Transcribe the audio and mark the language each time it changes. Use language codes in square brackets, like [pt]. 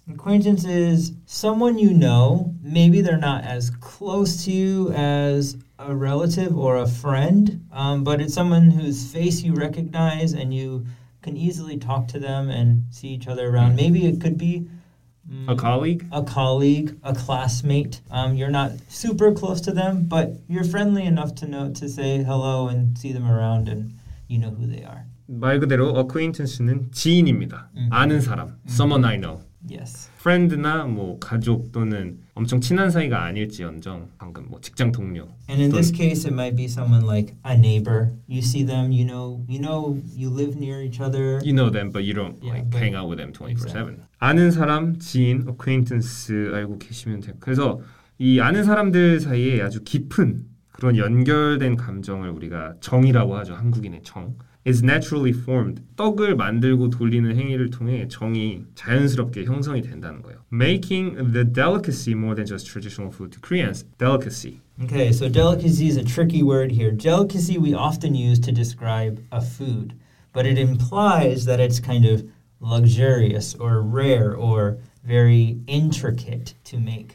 [en] Acquaintance is someone you know, maybe they're not as close to you as a relative or a friend, but it's someone whose face you recognize and you can easily talk to them and see each other around. Maybe it could be a colleague? A colleague, a classmate. You're not super close to them, but you're friendly enough to know to say hello and see them around and you know who they are. [ko] 말 그대로 acquaintance는 지인입니다. 아는 사람, [en] someone I know. Yes. [ko] 프렌드나 뭐 가족 또는 엄청 친한 사이가 아닐지언정 방금 뭐 직장 동료. [en] And in this case, it might be someone like a neighbor. You see them, you know, you live near each other. You know them, but you don't hang out with them 24/7. Exactly. [ko] 아는 사람, 지인, acquaintance 알고 계시면 돼요. 그래서 이 아는 사람들 사이에 아주 깊은 그런 연결된 감정을 우리가 정이라고 하죠. 한국인의 정. [en] is naturally formed. [ko] 떡을 만들고 돌리는 행위를 통해 정이 자연스럽게 형성이 된다는 거예요. [en] Making the delicacy more than just traditional food to Koreans. Delicacy. Okay, so delicacy is a tricky word here. Delicacy we often use to describe a food, but it implies that it's kind of luxurious or rare or very intricate to make.